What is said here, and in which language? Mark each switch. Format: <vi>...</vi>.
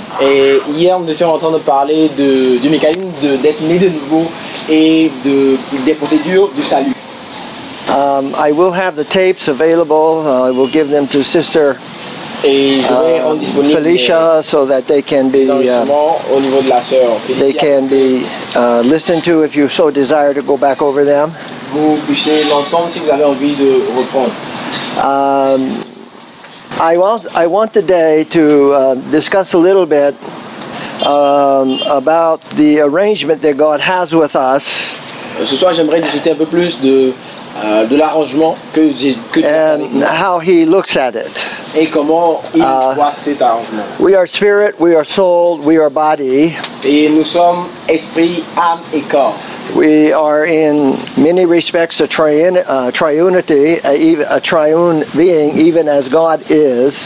<fr>Et hier nous étions en train de parler du mécanisme d'être né de nouveau et des procédures du salut.</fr> <en>I will have the tapes available. I will give them to Sister Felicia, so that they can be listened to if you so desire to go back over them.</en> <fr>Vous puissiez l'entendre si vous avez envie de reprendre.</fr> <en>I want today to discuss a little bit about the arrangement that God has with us.</en> <fr>Ce soir, j'aimerais discuter un peu plus de l'arrangement que</fr> <en>and how he looks at it.</en> <fr>Et comment il voit cet arrangement.</fr> <en>We are spirit, we are soul, we are body.</en> <fr>Et nous sommes esprit, âme et corps.</fr> <en>We are in many respects a triunity, a triune being, even as God is.</en>